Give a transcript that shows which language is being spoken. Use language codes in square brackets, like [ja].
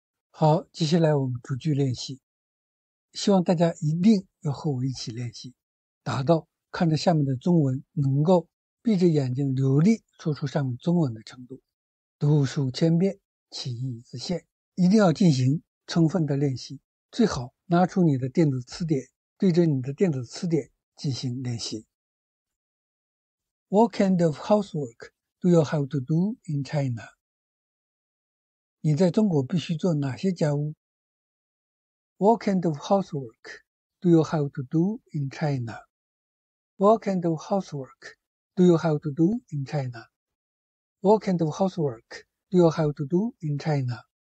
[zh] 好，接下来我们逐句练习。希望大家一定要和我一起练习，达到看着下面的中文能够闭着眼睛流利说出上面中文的程度。读书千遍，其义自现。一定要进行充分的练习，最好拿出你的电子词典，对着你的电子词典进行练习。 [en] What kind of housework do you have to do in China? [zh] 你在中国必须做哪些家务？ [en] What kind of housework do you have to do in China? What kind of housework do you have to do in China? What kind of housework do you have to do in China?